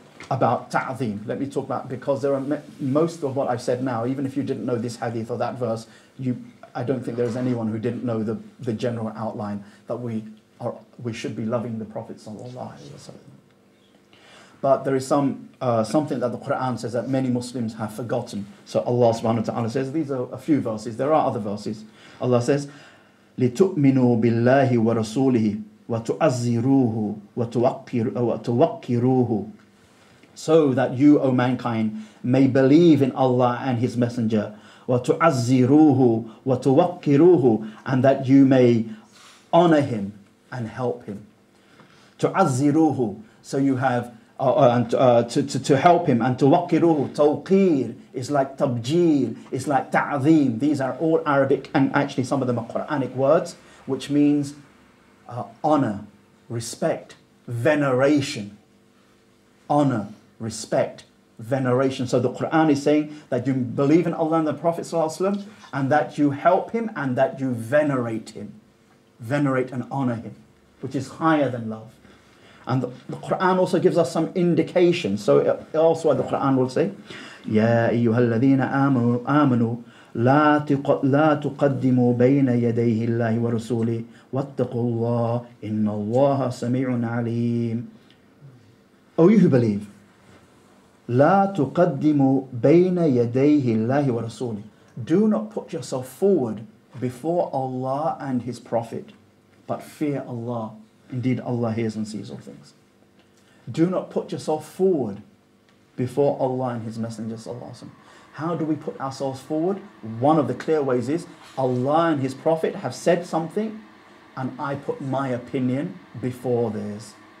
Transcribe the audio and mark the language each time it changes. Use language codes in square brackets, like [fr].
[en] About ta'zim, let me talk about, because there are most of what I've said now, even if you didn't know this hadith or that verse, I don't think there's anyone who didn't know the general outline that we we should be loving the Prophet ﷺ. But there is some something that the Quran says that many Muslims have forgotten. So Allah subhanahu wa ta'ala says, these are a few verses, there are other verses. [ar] Allah says, لِتُؤْمِنُوا بِاللَّهِ وَرَسُولِهِ وَتُعَزِّرُوهُ وَتُوَقِّرُوهُ. [en] So that you, O mankind, may believe in Allah and His Messenger, [ar] وَتُعَزِّرُوهُ وَتُوَقِّرُوهُ, [en] and that you may honor Him and help Him. تُعَزِّرُوهُ, so you have, to help Him, and تُوَقِّرُوهُ, توقير, is like تَبْجِيل, is like تَعْظِيم. These are all Arabic, and actually some of them are Quranic words, which means honor, respect, veneration. Honor, respect, veneration. So the Quran is saying that you believe in Allah and the Prophet ﷺ, and that you help him and that you venerate him. Venerate and honor him, which is higher than love. And the Quran also gives us some indication. So also the Quran will say, [ar] يَا أَيُّهَا الَّذِينَ آمَنُوا لَا تُقَدِّمُوا بَيْنَ يَدَيْهِ اللَّهِ وَرَسُولِهِ وَاتَّقُوا اللَّهِ إِنَّ اللَّهَ سَمِيعٌ عَلِيمٌ. [en] O you who believe, [ar] لا تقدموا بين يديه الله ورسوله. [en] Do not put yourself forward before Allah and His Prophet, but fear Allah. Indeed, Allah hears and sees all things. Do not put yourself forward before Allah and His Messenger, sallallahu alaihi wasallam. How do we put ourselves forward? One of the clear ways is Allah and His Prophet have said something, and I put my opinion before theirs.